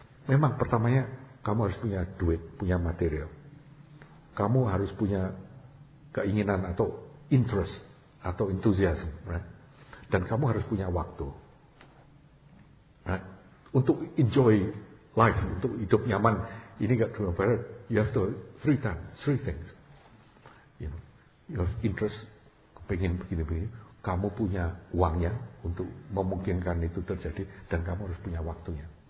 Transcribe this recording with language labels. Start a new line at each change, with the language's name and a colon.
Indonesian: Memang pertamanya kamu harus punya duit, punya material. Kamu harus punya keinginan atau interest atau
English: enthusiasm, right?
Indonesian: Dan kamu harus punya waktu,
English: right?
Indonesian: Untuk
English: enjoy life,
Indonesian: untuk hidup nyaman. Ini gak cuma barat.
English: You have to three time, three things. You know, you have interest.
Indonesian: Pengen begini-begini, kamu punya uangnya untuk memungkinkan itu terjadi, dan kamu harus punya waktunya.